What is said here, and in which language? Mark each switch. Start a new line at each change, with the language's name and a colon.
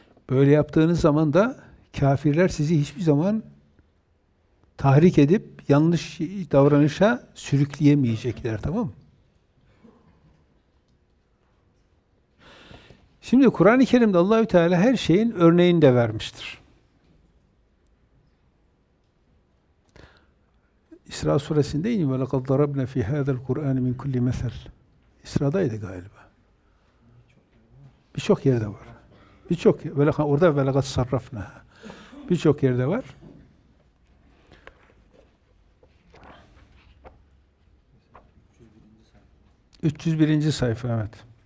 Turkish: Böyle yaptığınız zaman da kafirler sizi hiçbir zaman tahrik edip yanlış davranışa sürükleyemeyecekler, tamam mı? Şimdi Kur'an-ı Kerim'de Allah-u Teala her şeyin örneğini de vermiştir. İsra suresinde yine
Arabic: وَلَقَدْ ضَرَبْنَا فِي هَذَا الْقُرْآنِ مِنْ كُلِّ مَثَلٍ
Turkish: İsra'daydı galiba. Birçok yerde var. Birçok orada
Arabic: وَلَقَدْ صَرَّفْنَا
Turkish: birçok yerde var. ...301. sayfa, evet.